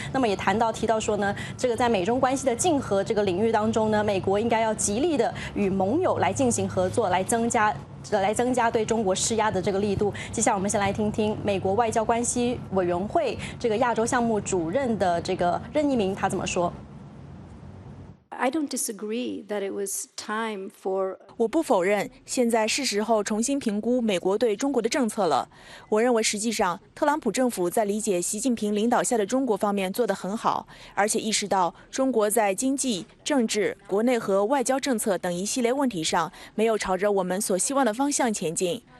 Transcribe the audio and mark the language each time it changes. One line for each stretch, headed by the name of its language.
Chinese: 那么也提到说呢，这个在美中关系的竞合这个领域当中呢，美国应该要极力的与盟友来进行合作，来增加对中国施压的这个力度。接下来我们先来听听美国外交关系委员会这个亚洲项目主任的这个任一鸣他怎么说。
English: I don't disagree that it was time for.
Chinese: 我不否认，现在是时候重新评估美国对中国的政策了。我认为，实际上，特朗普政府在理解习近平领导下的中国方面做得很好，而且意识到中国在经济、政治、国内和外交政策等一系列问题上没有朝着我们所希望的方向前进。